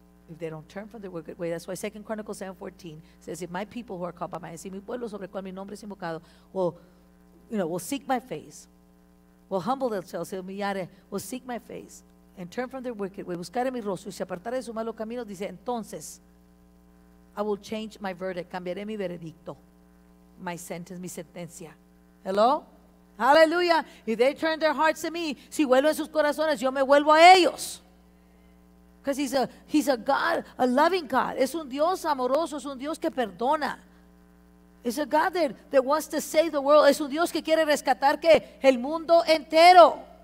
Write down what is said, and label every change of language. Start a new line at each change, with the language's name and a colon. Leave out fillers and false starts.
English: If they don't turn from the wicked way, that's why 2 Chronicles 7:14 says, if my people who are called by my name,
Spanish: si mi pueblo sobre cual mi nombre es invocado,
English: will seek my face, will humble themselves, will seek my face, and turn from their wicked way,
Spanish: buscar en mi rostro y se apartar de su malo camino, dice, entonces
English: I will change my verdict,
Spanish: cambiaré mi veredicto,
English: my sentence,
Spanish: mi sentencia.
English: Hello? Hallelujah. If they turn their hearts to me,
Spanish: si vuelven sus corazones, yo me vuelvo a ellos.
English: Because he's a God, a loving God.
Spanish: Es un Dios amoroso, es un Dios que perdona.
English: It's a God that wants to save the world.
Spanish: Es un Dios que quiere rescatar que el mundo entero.